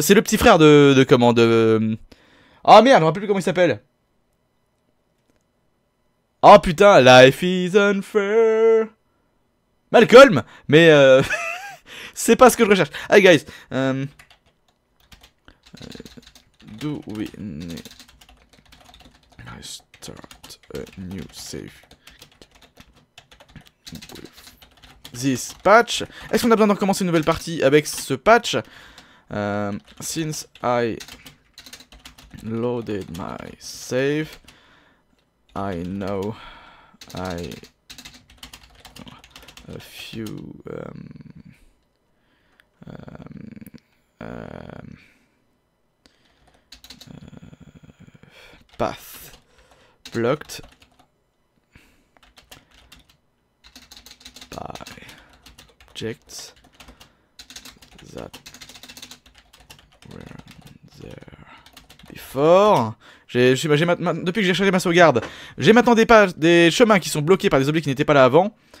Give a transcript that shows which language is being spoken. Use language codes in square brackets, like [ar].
[fr] C'est le petit frère de comment de... Oh merde, je me rappelle plus comment il s'appelle. Oh putain, [en] life is unfair. Malcolm. [fr] Mais c'est pas ce que je recherche. [en] Hi guys. Dewey, I start a new save. This patch. [fr] Est-ce qu'on a besoin de recommencer une nouvelle partie avec ce patch? [en] Since I loaded my save, I know I a few path blocked. By object that were there before. [fr] Depuis que j'ai changé ma sauvegarde, j'ai maintenant des chemins qui sont bloqués par des objets qui n'étaient pas là avant.